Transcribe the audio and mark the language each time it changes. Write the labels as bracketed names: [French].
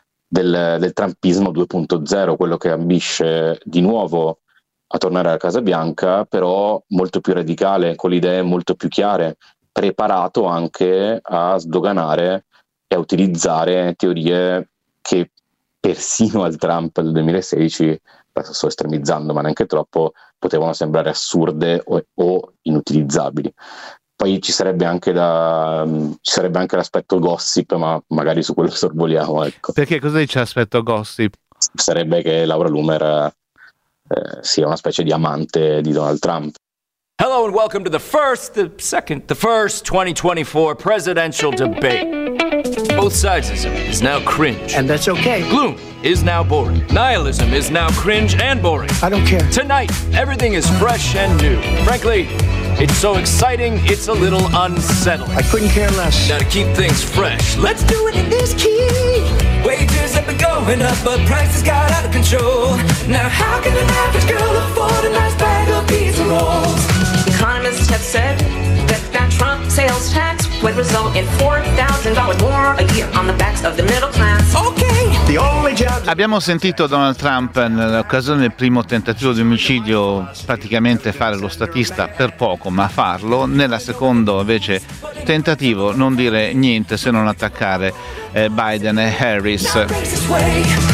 [Italian] del trumpismo 2.0, quello che ambisce di nuovo a tornare alla Casa Bianca, però molto più radicale, con le idee molto più chiare, preparato anche a sdoganare e a utilizzare teorie che persino al Trump del 2016, sto estremizzando ma neanche troppo, potevano sembrare assurde o inutilizzabili. Poi ci sarebbe anche l'aspetto gossip, ma magari su quello sorvoliamo, ecco. Perché cosa dice l'aspetto gossip? Sarebbe che Laura Loomer sia una specie di amante di Donald Trump. [English] Hello and welcome to the first 2024 presidential debate. Both sidesism is now cringe. And that's okay. Gloom is now boring. Nihilism is now cringe and boring. I don't care. Tonight, everything is fresh and new. Frankly, it's so exciting, it's a little unsettling. I couldn't care less. Now to keep things fresh, let's do it in this key. Wages have been going up, but prices got out of control. Now how can an average girl afford a nice bag of pizza rolls? Economists have said that Trump sales tax would result in $4,000 more a year on the backs of the middle class. Okay! The only job... [Italian] Abbiamo sentito Donald Trump nell'occasione del primo tentativo di omicidio praticamente fare lo statista per poco, ma farlo. Nella seconda invece tentativo non dire niente se non attaccare Biden e Harris.